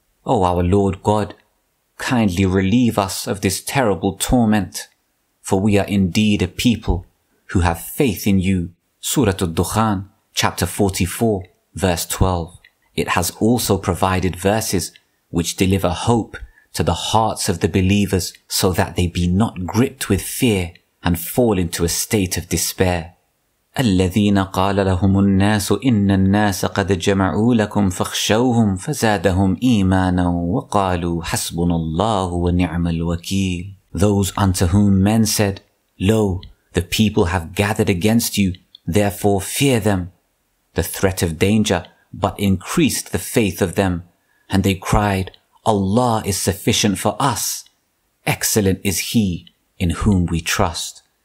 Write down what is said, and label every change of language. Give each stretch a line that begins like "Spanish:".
English: O our Lord God, kindly relieve us of this terrible torment, for we are indeed a people who have faith in you. Surah Al-Dukhan, chapter 44, verse 12. It has also provided verses which deliver hope to the hearts of the believers so that they be not gripped with fear and fall into a state of despair.
Arabic: الذين قال لهم الناس إن الناس قد جمعوا لكم فاخشوهم فزادهم إيمانا وقالوا حسبنا الله ونعم الوكيل.
English: Those unto whom men said, "Lo, the people have gathered against you, therefore fear them." The threat of danger but increased the faith of them, and they cried, "Allah is sufficient for us. Excellent is He in whom we trust."